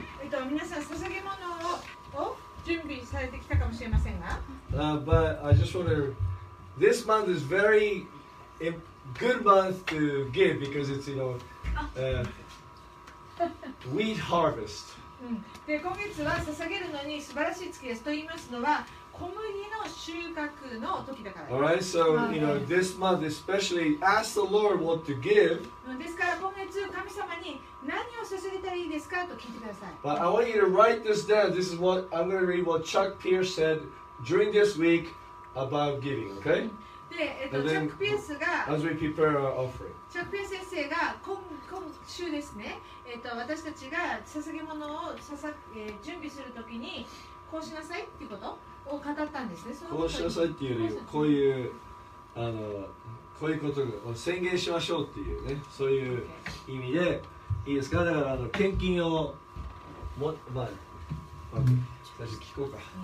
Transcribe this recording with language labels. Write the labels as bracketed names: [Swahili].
[English] But I just want to. This month is very a good month to give because it's, you know, wheat harvest. [Japanese] で今月は捧げるのに素晴らしい月ですと言いますのは小麦の収穫の時だから。 [English] Alright, so you know this month especially ask the Lord what to give. [Japanese] ですから今月神様に何を捧げたらいいですかと聞いてください。 [English] But I want you to write this down. This is what I'm going to read what Chuck Pierce said during this week about giving. Okay? [Japanese] で、チャック・ピエスが [English] as we prepare our offering. [Japanese] チャックピア先生が 今週ですね、私たちが捧げ物を準備するときにこうしなさいっていうことを語ったんですね。そのこうしなさいっていうよりこういうあのこういうことを宣言しましょうっていうね、そういう意味でいいですか。だからあの献金をも、まあ、まあ、最初聞こうか。